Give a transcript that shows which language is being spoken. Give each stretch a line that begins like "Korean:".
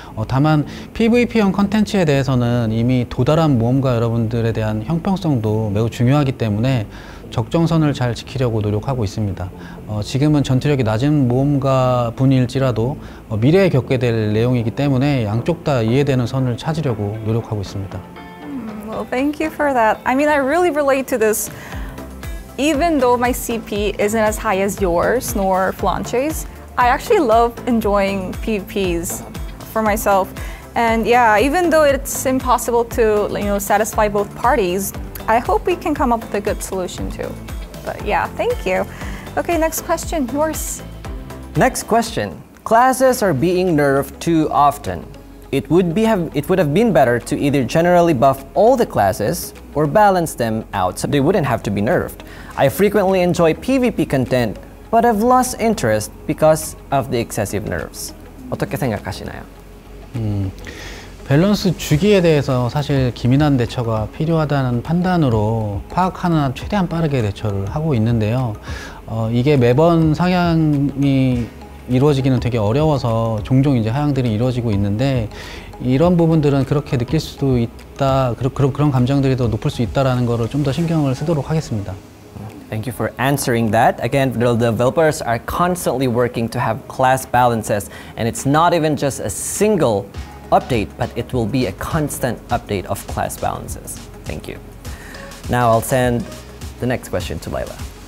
Korean: 다만 PVP형 컨텐츠에 대해서는 이미 도달한 모험가 여러분들에 대한 형평성도 매우 중요하기 때문에 적정선을 잘 지키려고 노력하고 있습니다. 지금은 전투력이 낮은 모험가 분일지라도 미래에 겪게 될 내용이기 때문에 양쪽 다 이해되는 선을 찾으려고 노력하고 있습니다.
English: Well, thank you for that. I mean, I really relate to this. Even though my CP isn't as high as yours nor Flanche's, I actually love enjoying PvPs for myself. And yeah, even though it's impossible to, you know, satisfy both parties, I hope we can come up with a good solution too. But yeah, thank you. Okay, next question, yours. Next question. Classes are being nerfed too often. It would have been better to either generally buff all the classes or balance them out so they wouldn't have to be nerfed. I frequently enjoy PvP content, but I've lost interest because of the excessive nerfs.
Korean: 어떻게 생각하시나요? 밸런스 주기에 대해서 사실 기민한 대처가 필요하다는 판단으로 파악하는 한 최대한 빠르게 대처를 하고 있는데요. 이게 매번 상향이 이루어지기는 되게 어려워서 종종 이제 하향들이 이루어지고 있는데 이런 부분들은 그렇게 느낄 수도 있다. 그런 감정들이 더 높을 수 있다라는 거를 좀 더 신경을 쓰도록 하겠습니다.
English: Thank you for answering that. Again, the developers are constantly working to have class balances, and it's not even just a single update, but it will be a constant update of class balances. Thank you. Now I'll send the next question to Layla.